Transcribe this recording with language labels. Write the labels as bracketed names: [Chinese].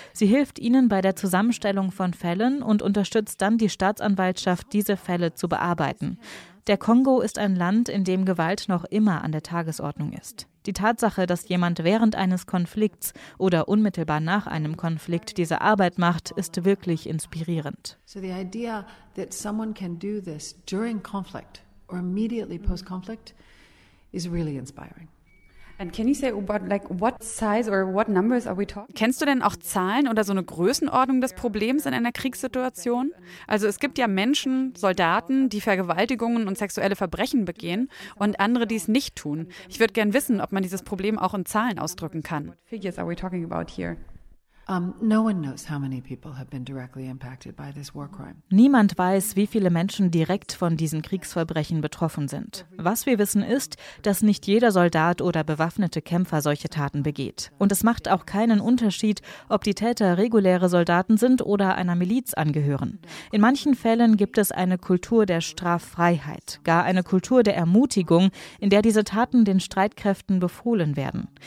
[German] Sie hilft ihnen bei der Zusammenstellung von Fällen und unterstützt dann die Staatsanwaltschaft, diese Fälle zu bearbeiten. Der Kongo ist ein Land, in dem Gewalt noch immer an der Tagesordnung ist. Die Tatsache, dass jemand während eines Konflikts oder unmittelbar nach einem Konflikt diese Arbeit macht, ist wirklich inspirierend. [English] So the idea that someone can do this during conflict or immediately post-conflict is really inspiring. And can you say about like what size or what numbers are we talking? [German] Kennst du denn auch Zahlen oder so eine Größenordnung des Problems in einer Kriegssituation? Also es gibt ja Menschen, Soldaten, die Vergewaltigungen und sexuelle Verbrechen begehen und andere, die es nicht tun. Ich würde gern wissen, ob man dieses Problem auch in Zahlen ausdrücken kann. [English] What figures are we talking about here? No one knows how many people have been directly impacted by this war crime. [German] Niemand weiß, wie viele Menschen direkt von diesen Kriegsverbrechen betroffen sind. Was wir wissen ist, dass nicht jeder Soldat oder bewaffnete Kämpfer solche Taten begeht. Und es macht auch keinen Unterschied, ob die Täter reguläre Soldaten sind oder einer Miliz angehören. In manchen Fällen gibt es eine Kultur der Straffreiheit, gar eine Kultur der Ermutigung, in der diese Taten den Streitkräften befohlen werden.